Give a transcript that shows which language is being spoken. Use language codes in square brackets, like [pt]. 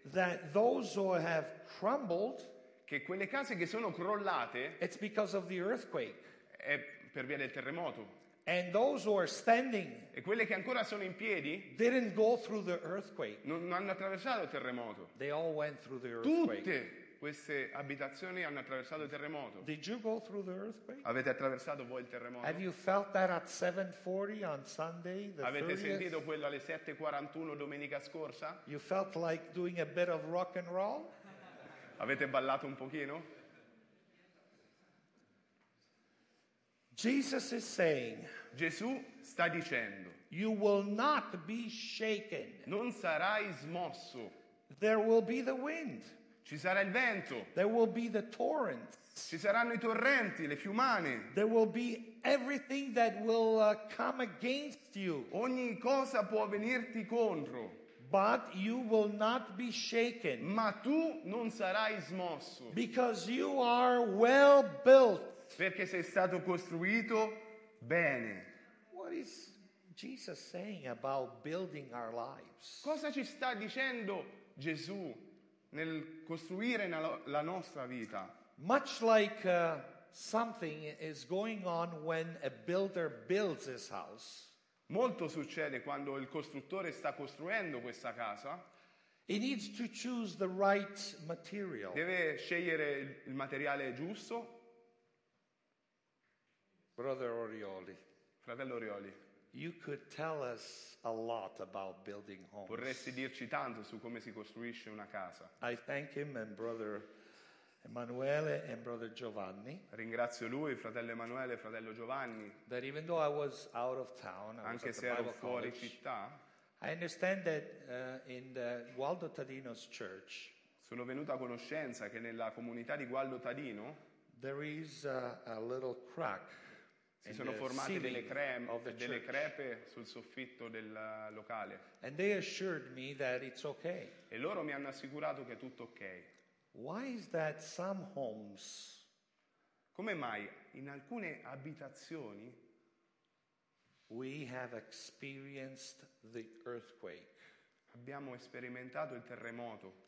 [en] That those who have crumbled. [it] Che quelle case che sono crollate. [en] It's because of the earthquake. [it] È per via del terremoto. [en] And those who are standing. [it] E quelle che ancora sono in piedi. [en] Didn't go through the earthquake. [it] Non hanno attraversato il terremoto. [en] They all went through the earthquake. [it] Tutte. Queste abitazioni hanno attraversato il terremoto. [en] Did you go through the earthquake? [it] Avete attraversato voi il terremoto? [en] Have you felt that at 7:40 on Sunday, the 30th? [it] Avete sentito quello alle 7:41 domenica scorsa? [en] You felt like doing a bit of rock and roll? [it] Avete ballato un pochino? [en] Jesus is saying. [it] Gesù sta dicendo. [en] You will not be shaken. [it] Non sarai smosso. [en] There will be the wind. [it] Ci sarà il vento. [en] There will be the torrents. [it] Ci saranno i torrenti, le fiumane. [en] There will be everything that will come against you. [it] Ogni cosa può venirti contro. [en] But you will not be shaken. [it] Ma tu non sarai smosso. [en] Because you are well built. [it] Perché sei stato costruito bene. [en] What is Jesus saying about building our lives? [it] Cosa ci sta dicendo Gesù nel costruire la nostra vita? [en] Much like something is going on when a builder builds his house. [it] Molto succede quando il costruttore sta costruendo questa casa. [en] He needs to choose the right material. [it] Deve scegliere il materiale giusto. [en] Brother Orioli. [it] Fratello Orioli. [en] You could tell us a lot about building homes. [it] Vorresti dirci tanto su come si costruisce una casa. [en] I thank him and brother Emanuele and brother Giovanni. [it] Ringrazio lui, fratello Emanuele, fratello Giovanni. [en] That even though I was out of town, [it] anche se ero fuori città, [en] I understand that in the Gualdo Tadino's church. [it] Sono venuto a conoscenza che nella comunità di Gualdo Tadino [en] there is a little crack. [it] Si sono formate delle crepe sul soffitto del locale. [en] And they assured me that it's okay. [it] E loro mi hanno assicurato che è tutto ok. [en] Why is that some homes? [it] Come mai in alcune abitazioni [en] we have experienced the earthquake. [it] Abbiamo sperimentato il terremoto.